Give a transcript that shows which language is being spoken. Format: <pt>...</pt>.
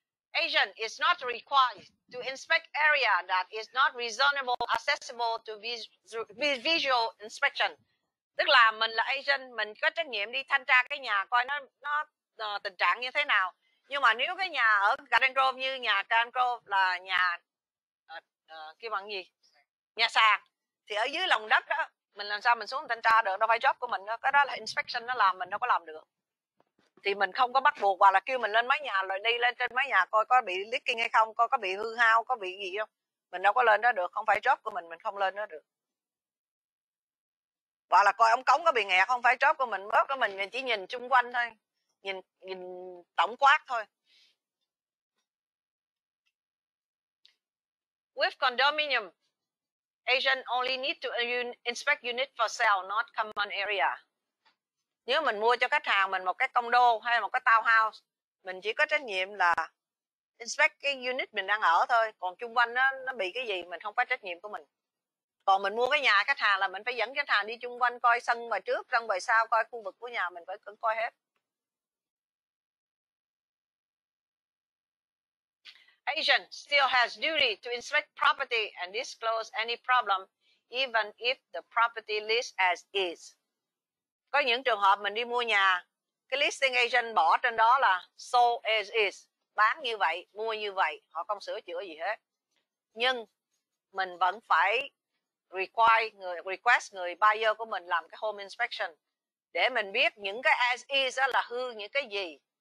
<en>Agent is not required to inspect area that is not reasonable accessible to visual inspection.</en> <vi>Tức là mình là agent, mình có trách nhiệm đi thanh tra cái nhà coi nó tình trạng như thế nào. Nhưng mà nếu cái nhà ở Garden Grove, như nhà Garden Grove là nhà kia bằng gì? Nhà sàn. Thì ở dưới lòng đất đó, mình làm sao mình xuống thanh tra được, đâu phải job của mình đó. Cái đó là inspection nó làm, mình đâu có làm được. Thì mình không có bắt buộc hoặc là kêu mình lên mái nhà rồi đi lên trên mái nhà coi có bị leaking hay không, coi có bị hư hao, có bị gì không. Mình đâu có lên đó được, không phải job của mình không lên đó được. Hoặc là coi ống cống có bị nghẹt, không phải job của mình bớt của mình chỉ nhìn chung quanh thôi, nhìn tổng quát thôi.</vi> <en>With condominium, agent only need to inspect unit for sale, not common area.</en> <vi>Nếu mình mua cho khách hàng mình một cái condo hay một cái townhouse, mình chỉ có trách nhiệm là inspect cái unit mình đang ở thôi. Còn chung quanh nó bị cái gì, mình không phải trách nhiệm của mình. Còn mình mua cái nhà khách hàng là mình phải dẫn khách hàng đi chung quanh coi sân ngoài trước, sân ngoài sau, coi khu vực của nhà mình phải cần coi hết.</vi> <en>Agent still has duty to inspect property and disclose any problem even if the property list as is.</en> <vi>Có những trường hợp mình đi mua nhà, cái listing agent bỏ trên đó là sold as is, bán như vậy, mua như vậy, họ không sửa chữa gì hết. Nhưng mình vẫn phải request người buyer của mình làm cái home inspection để mình biết những cái as is đó là hư những cái gì.</vi>